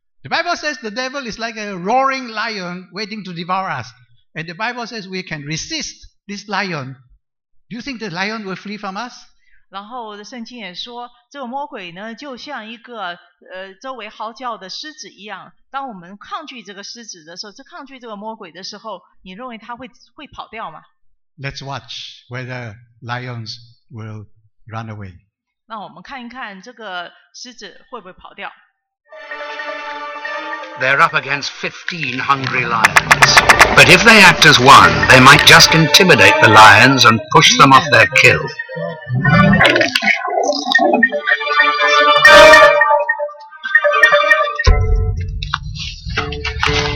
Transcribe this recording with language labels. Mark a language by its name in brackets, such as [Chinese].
[English] The Bible says the devil is like a roaring lion waiting to devour us, and the Bible says we can resist this lion. Do you think the lion will flee from us? [Chinese] 然后圣经也说，这个魔鬼呢，就像一个周围嚎叫的狮子一样，当我们抗拒这个狮子的时候，抗拒这个魔鬼的时候，你认为他会跑掉吗？ [English] Let's watch whether lions will run away. [Chinese] 那我们看一看这个狮子会不会跑掉。 [English] They're up against 15 hungry lions. But if they act as one, they might just intimidate the lions and push them off their kill.